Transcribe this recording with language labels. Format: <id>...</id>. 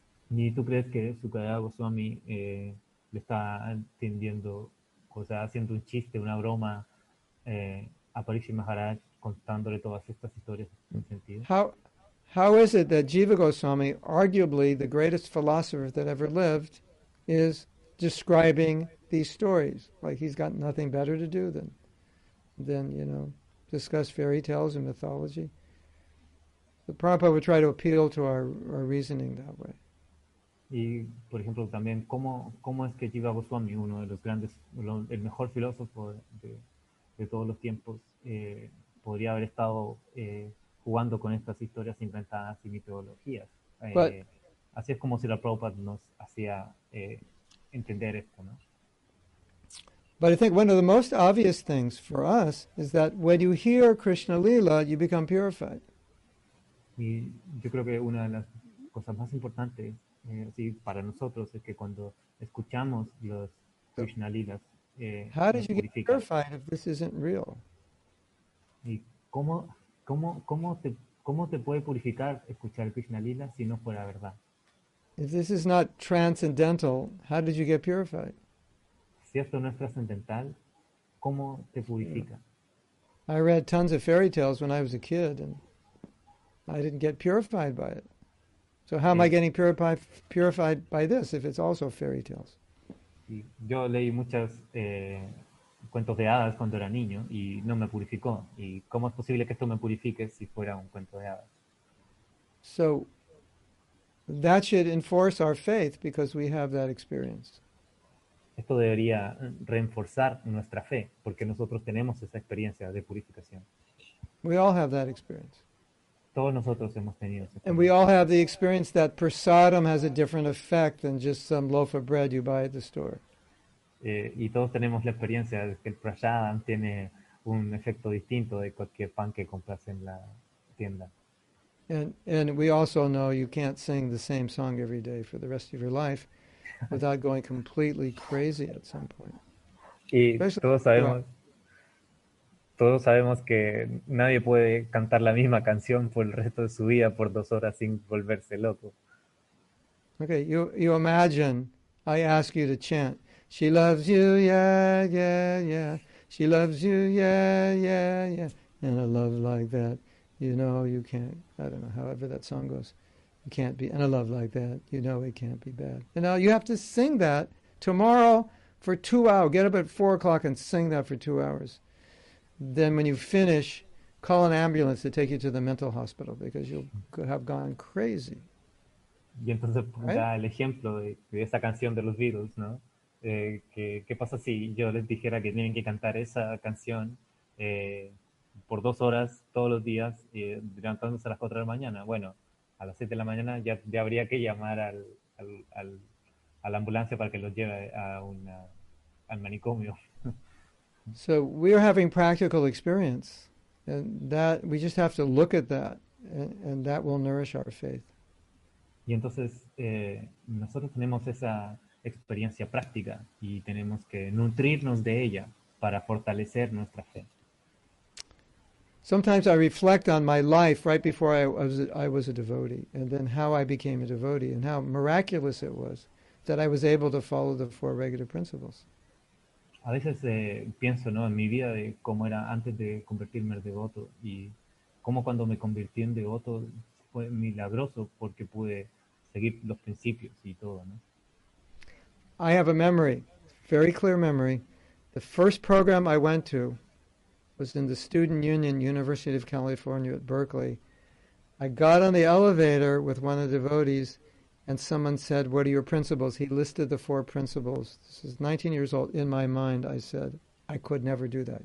<es>¿Y tú crees que Shukadeva Goswami le está tendiendo, o sea, haciendo un chiste, una broma a Parikshit Maharaj contándole todas estas historias sin sentido?</es> <en>How is it that Jiva Goswami, arguably the greatest philosopher that ever lived, is describing these stories? Like he's got nothing better to do than you know, discuss fairy tales and mythology. The Prabhupada would try to appeal to our reasoning that way.</en> <es>Y, por ejemplo, también, ¿cómo es que Jiva Goswami, uno de los grandes, el mejor filósofo de todos los tiempos, podría haber estado jugando con estas historias inventadas y mitologías? Así es como si la Prabhupada nos hacía entender esto, ¿no?</es> <en>But I think one of the most obvious things for us is that when you hear Krishna Lila, you become purified.</en> <es>Y yo creo que una de las cosas más importantes sí, para nosotros es que cuando escuchamos los Krishna Lilas,</es> <en>how did you get purified if this isn't real?</en> <es>¿Y cómo te puede purificar escuchar Krishna Lila si no fuera verdad?</es> <en>If this is not transcendental, how did you get purified?</en> <es>Si esto no es transcendental, ¿cómo te purifica?</es> <en>Yeah. I read tons of fairy tales when I was a kid and I didn't get purified by it. So how am I getting purified by this if it's also fairy tales?</en> <es>Yo leí muchos cuentos de hadas cuando era niño y no me purificó. ¿Y cómo es posible que esto me purifique si fuera un cuento de hadas?</es> <en>So that should enforce our faith because we have that experience.</en> <es>Esto debería reforzar nuestra fe porque nosotros tenemos esa experiencia de purificación.</es> <en>We all have that experience.</en> <es>Todos nosotros hemos tenido esa.</es> <en>And we all have the experience that prasadam has a different effect than just some loaf of bread you buy at the store.</en> <es>Y todos tenemos la experiencia de que el prasadam tiene un efecto distinto de cualquier pan que compras en la tienda.</es> <en>And we also know you can't sing the same song every day for the rest of your life without going completely crazy at some point.</en> <es>Y</es> <en>especially</en> <es>todos sabemos. todos sabemos que nadie puede cantar la misma canción por el resto de su vida por 2 horas sin volverse loco.</es> <en>Okay, you imagine I ask you to chant. She loves you, yeah, yeah, yeah. She loves you, yeah, yeah, yeah. And a love like that, you know you can't, I don't know, however that song goes, you can't be, and a love like that, you know it can't be bad. And now you have to sing that tomorrow for 2 hours. Get up at 4 o'clock and sing that for 2 hours. Then when you finish, call an ambulance to take you to the mental hospital because you could have gone crazy.</en> <es>Y entonces</es> <en>right?</en> <es>Da el ejemplo de esa canción de los Beatles, ¿no? ¿Qué pasa si yo les dijera que tienen que cantar esa canción por 2 horas todos los días y levantándose a las 4 de la mañana? Bueno, a las 7 de la mañana ya habría que llamar a la ambulancia para que los lleve al manicomio.</es> <en>So we are having practical experience, and that we just have to look at that, and that will nourish our faith.</en> <es>Y entonces nosotros tenemos esa experiencia práctica y tenemos que nutrirnos de ella para fortalecer nuestra fe.</es> <en>Sometimes I reflect on my life right before I was a devotee, and then how I became a devotee, and how miraculous it was that I was able to follow the 4 regular principles.</en> <es>A veces pienso, ¿no?, en mi vida de cómo era antes de convertirme en devoto y cómo cuando me convertí en devoto fue milagroso porque pude seguir los principios y todo, ¿no?</es> <en>I have a memory, very clear memory. The first program I went to was in the Student Union, University of California at Berkeley. I got on the elevator with one of the devotees and someone said, what are your principles? He listed the 4 principles. This is 19 years old. In my mind, I said, I could never do that.</en>